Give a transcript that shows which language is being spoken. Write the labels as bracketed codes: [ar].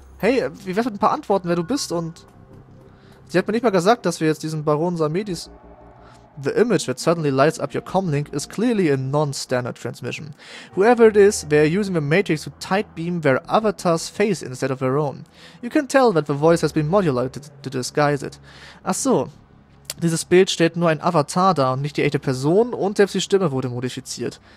[de] Hey, wie wär's mit ein paar Antworten, wer du bist und... Sie hat mir nicht mal gesagt, dass wir jetzt diesen Baron Samedis... [en] The image that suddenly lights up your comlink is clearly a non-standard transmission. Whoever it is, they're using the Matrix to tight-beam their avatar's face instead of their own. You can tell that the voice has been modulated to disguise it. [de] Ach so. Dieses Bild stellt nur ein Avatar dar und nicht die echte Person und selbst die Stimme wurde modifiziert.